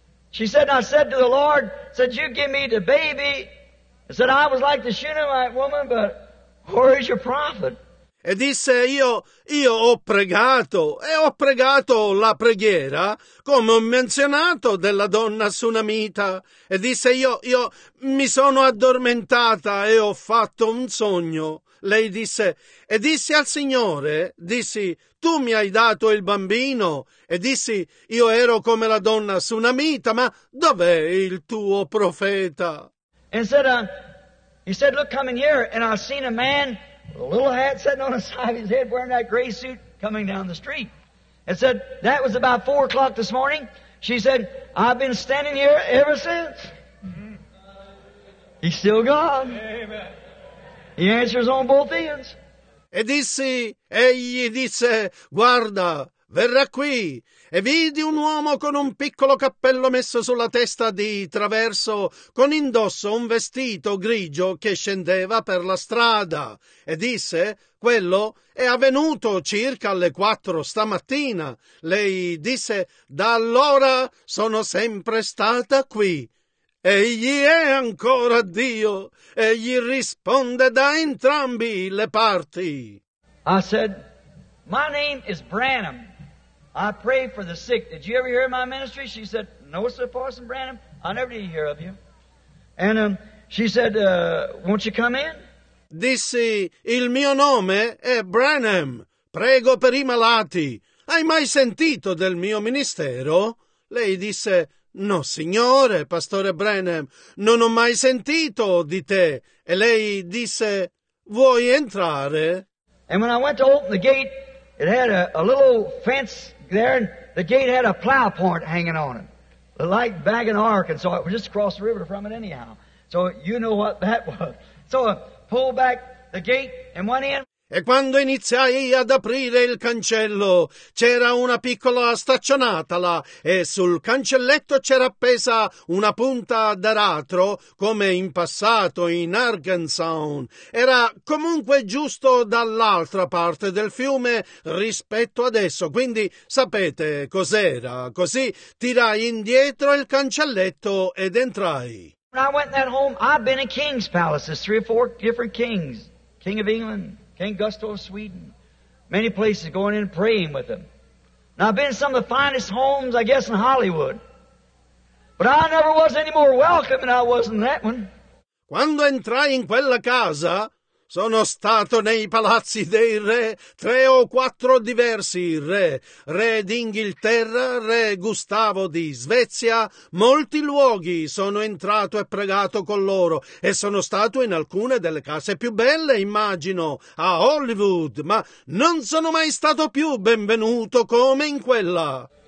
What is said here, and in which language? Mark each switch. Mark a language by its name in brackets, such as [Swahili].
[English] She said, and I said to the Lord, said, "You give me the baby." I said, "I was like the Shunammite woman, but where is your prophet?" [Italian] E disse, io ho pregato, e ho pregato la preghiera, come ho menzionato, della donna sunamita. E disse, io mi sono addormentata e ho fatto un sogno. Lei disse, e disse al Signore, dissi, "Tu mi hai dato il bambino." E dissi, "Io ero come la donna sunamita, ma dov'è il tuo profeta?" [English] He said, "Look, come in here." And I seen a man with a little hat sitting on the side of his head wearing that gray suit coming down the street. And said, "That was about 4 o'clock this morning." She said, "I've been standing here ever since." He's still God. Amen. He answers on both ends. [Italian] E dissi, egli disse, "Guarda, verrà qui." E vidi un uomo con un piccolo cappello messo sulla testa di traverso, con indosso un vestito grigio che scendeva per la strada. E disse, "Quello è avvenuto circa alle 4 stamattina." Lei disse, "Da allora sono sempre stata qui." Egli è ancora Dio. Egli risponde da entrambi le parti. [English] I said, "My name is Branham. I pray for the sick. Did you ever hear of my ministry? She said, no, Sir Parson Branham, I never did hear of you. And she said, won't you come in? [Italian] Dissi, il mio nome è Branham. Prego per i malati. Hai mai sentito del mio ministero? Lei disse, no, signore, pastore Branham, non ho mai sentito di te. E lei disse, vuoi entrare? [English] And when I went to open the gate, it had a little fence there, and the gate had a plow point hanging on it, like back in Arkansas. It was just across the river from it anyhow. So you know what that was. So I pulled back the gate and went in. [Italian] E quando iniziai ad aprire il cancello, c'era una piccola staccionata là, e sul cancelletto c'era appesa una punta d'aratro, come in passato in Arkansas. Era comunque giusto dall'altra parte del fiume rispetto adesso, quindi sapete cos'era. Così tirai indietro il cancelletto ed entrai. [English] When I went in that home, I've been in king's palaces, three or four different kings, King of England, King Gustav of Sweden, many places, going in and praying with them. Now, I've been in some of the finest homes, I guess, in Hollywood. But I never was any more welcome than I was in that one. [Italian] Quando entrai in quella casa, sono stato nei palazzi dei re, tre o quattro diversi re, re d'Inghilterra, re Gustavo di Svezia, molti luoghi sono entrato e pregato con loro, e sono stato in alcune delle case più belle, immagino, a Hollywood, ma non sono mai stato più benvenuto come in quella.